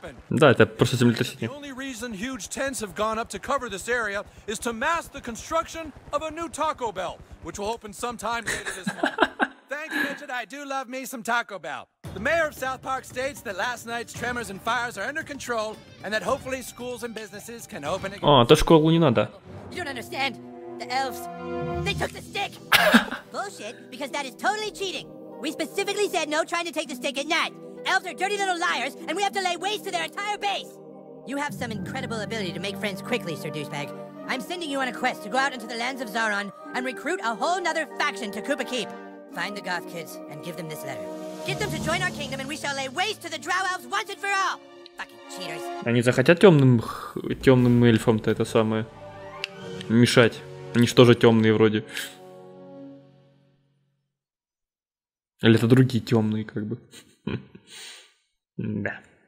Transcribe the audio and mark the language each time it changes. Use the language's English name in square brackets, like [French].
[Russian] Да, это просто землетрясение. [English] The mayor of South Park states that last night's tremors and fires are under control, and that hopefully schools and businesses can open again. [Russian] А, то школу не надо. [English] You don't understand. The elves, they took the stick. Bullshit, because that is totally cheating. We specifically said no trying to take the stick at night. Elves are dirty little liars, and we have to lay waste to their entire base. You have some incredible ability to make friends quickly, Sir Douchebag. I'm sending you on a quest to go out into the lands of Zauron and recruit a whole nother faction to Koopa Keep. Find the goth kids and give them this letter. Get them to join our kingdom, and we shall lay waste to the drow elves once and for all. Fucking cheaters. [Russian] Они захотят темным эльфам-то это самое мешать. Они же тоже темные вроде. Или это другие темные, как бы. Да.